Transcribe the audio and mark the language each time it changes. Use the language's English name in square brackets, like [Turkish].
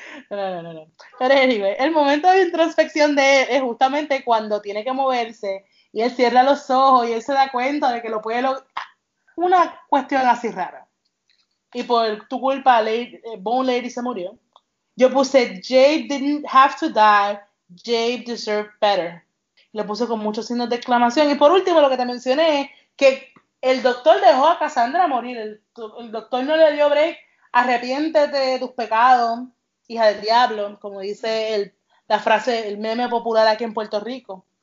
[Spanish] No, no, no. Pero anyway, el momento de introspección de él es justamente cuando tiene que moverse y él cierra los ojos y él se da cuenta de que lo puede lograr. Una cuestión así rara. Y por tu culpa, Bone Lady se murió. Yo puse, [English] Jabe didn't have to die, Jabe deserved better. [Spanish] Le puse con muchos signos de exclamación. Y por último, lo que te mencioné es que el doctor dejó a Cassandra morir. El doctor no le dio break. Arrepiéntete de tus pecados, hija del diablo, como dice la frase, el meme popular aquí en Puerto Rico.